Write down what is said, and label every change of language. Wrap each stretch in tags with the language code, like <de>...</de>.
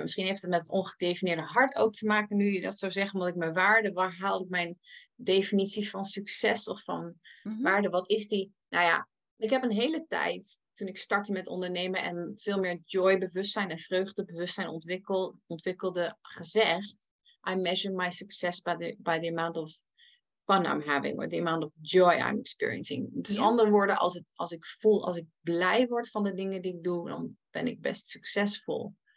<nl>Misschien heeft het met het ongedefinieerde hart ook te maken nu je dat zou zeggen. Omdat ik mijn waarde, waar haal ik mijn definitie van succes of van waarde? Wat is die? Nou ja, ik heb een hele tijd toen ik startte met ondernemen en veel meer joy-bewustzijn en vreugde-bewustzijn ontwikkelde gezegd.</nl> <en>I measure my success by the amount of fun I'm having, or the amount of joy I'm experiencing.</en> <nl>Dus andere woorden, als ik blij word van de dingen die ik doe, dan ben ik best succesvol.</nl>